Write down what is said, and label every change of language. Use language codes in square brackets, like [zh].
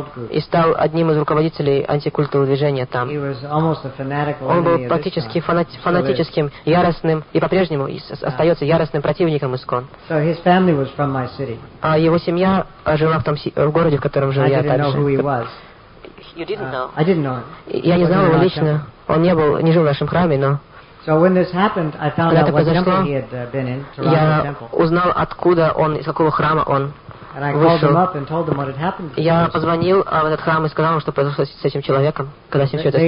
[ru] И стал одним из руководителей антикультового движения там. Он был практически фанатическим, яростным, и по-прежнему остается яростным противником ИСКОН. Его семья жила в том городе, в котором жил я также. Я не знал его лично. Он не жил в нашем храме, но [en] so when this happened, I found out what temple he had been in. [ru] Я узнал, откуда он, из какого храма он вышел. Я позвонил в этот храм и сказал ему, что произошло с этим человеком, когда с ним все это